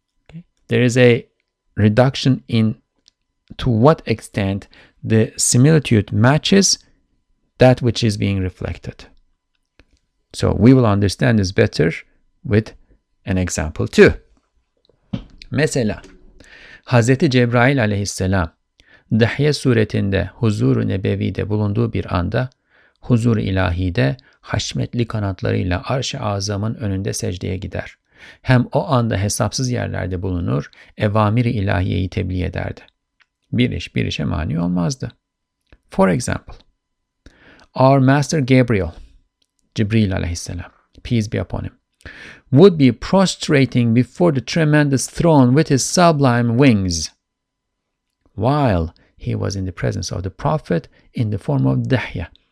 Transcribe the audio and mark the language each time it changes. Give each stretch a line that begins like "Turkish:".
English: Okay. There is a reduction in to what extent the similitude matches that which is being reflected. So we will understand this better with an example too.
Turkish: Mesela, Hazreti Cebrail aleyhisselam, Dahiye suretinde huzur-u nebevide bulunduğu bir anda huzur-u ilahide haşmetli kanatlarıyla arş-ı azamın önünde secdeye gider. Hem o anda hesapsız yerlerde bulunur, evamir-i ilahiyeyi tebliğ ederdi. Bir iş bir işe mani olmazdı.
English: For example, our master Gabriel, Cibril aleyhisselam, peace be upon him, would be prostrating before the tremendous throne with his sublime wings, while he was in the presence of the Prophet in the form of Dahya.